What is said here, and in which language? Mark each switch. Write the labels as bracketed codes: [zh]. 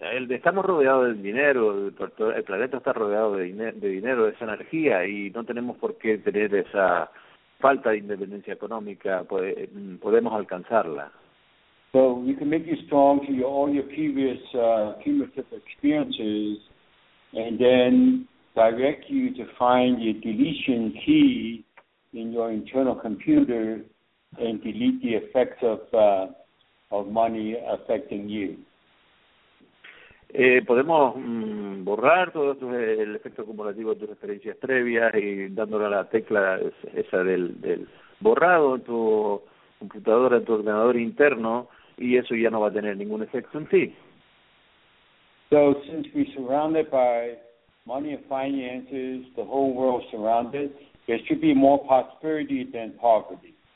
[es] Estamos rodeados de dinero, el planeta está rodeado de dinero, de esa energía, y no tenemos por qué tener esa falta de independencia económica, podemos alcanzarla. [en] So you can make you strong through all your previous cumulative experiences, and then direct you to find your deletion key in your internal computer and delete the effects of money affecting you. [es] Podemos borrar todo esto, el efecto acumulativo de tus experiencias previas y dándole a la tecla esa del borrado en tu computadora, en tu ordenador interno, y eso ya no va a tener ningún efecto en ti. [en] So since we're surrounded by money and finances, the whole world's surrounded, there should be more prosperity than poverty.